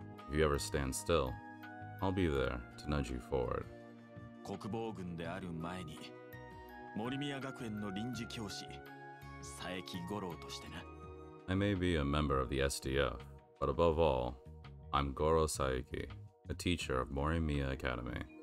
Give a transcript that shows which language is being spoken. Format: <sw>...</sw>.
<en>if you ever stand still, I'll be there to nudge you forward.</en> <ja>国防軍である前に、森宮学園の臨時教師、佐伯五郎としてな。</ja> <en>I may be a member of the SDF, but above all, I'm Goro Saeki, a teacher of Morimiya Academy.</en>